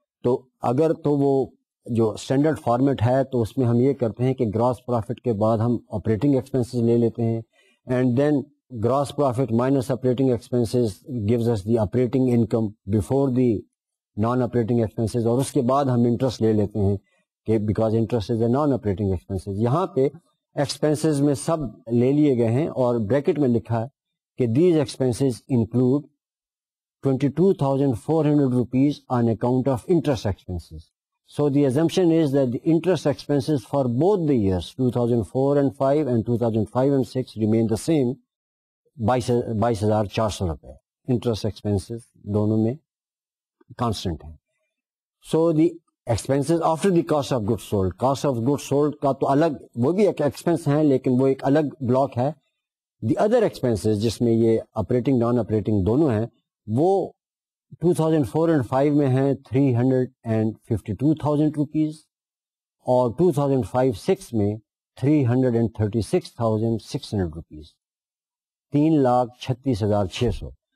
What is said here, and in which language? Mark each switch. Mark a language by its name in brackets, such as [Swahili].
[Urdu] تو اگر تو وہ جو اسٹینڈرڈ فارمیٹ ہے تو اس میں ہم یہ کرتے ہیں کہ گراس پروفٹ کے بعد ہم آپریٹنگ ایکسپینسز لے لیتے ہیں [English] and then gross profit minus operating expenses [Urdu] gives اس the operating income before the non operating expenses اور اس کے بعد ہم انٹرسٹ لے لیتے ہیں کہ [English] Because interest is a non operating expenses. [Urdu] یہاں پہ ایکسپینسز میں سب لے لیے گئے ہیں اور بریکٹ میں لکھا ہے کہ [English] These expenses include 22,400 rupees on account of interest expenses. So the assumption is that the interest expenses for both the years 2004 and 5 and 2005 and 6 remain the same 22,400 روپے. [Urdu] انٹرسٹ ایکسپینسز دونوں میں کانسٹنٹ ہیں. [English] So the expenses after the cost of good sold. [Urdu] Cost of good sold کا تو الگ وہ بھی ایک ایکسپینس ہیں لیکن وہ ایک الگ بلاک ہے. [English] the other expenses [Urdu] جس میں یہ آپریٹنگ نان آپریٹنگ دونوں ہیں وہ 2004 اینڈ 5 میں ہیں 352,000 روپیز اور 2005-6 میں 336,600 روپیز 3,36,600.